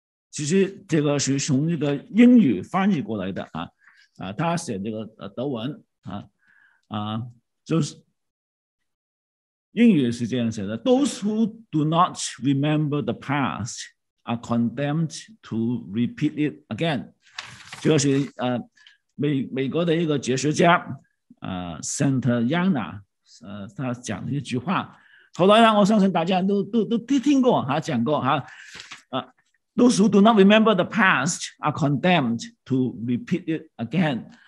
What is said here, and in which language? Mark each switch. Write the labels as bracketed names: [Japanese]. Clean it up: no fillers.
[Chinese] 其实这个是从那个英语翻译过来的他写这个德文就是。英语是这样写的 [English] ：Those who do not remember the past are condemned to repeat it again。 [Chinese] 这个是美国的一个哲学家Santa Yana他讲的一句话。后来呢，我相信大家都听过哈，讲过哈。 [English] Those who do not remember the past are condemned to repeat it again。